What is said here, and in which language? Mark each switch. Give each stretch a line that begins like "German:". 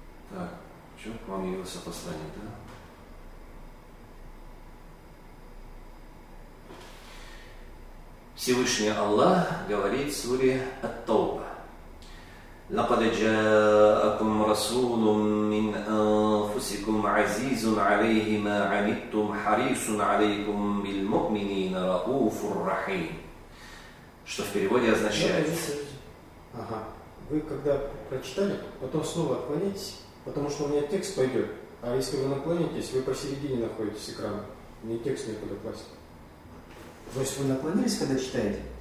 Russian: Так, что, к вам явился послание, да? Всевышний Аллах говорит в суре «Ат-Тауба».
Arabic: لقد جاءكم رسول من أنفسكم عزيز عليه ما عنتم حريص عليكم بالمؤمنين رؤوف رحيم.
Russian: Что в переводе означает? Ага. Вы когда прочитали, потом снова отклонитесь, потому что у меня текст пойдет. А если вы наклонитесь, вы посередине находитесь экрана. Мне текст некуда класть. То есть вы наклонились, когда читаете?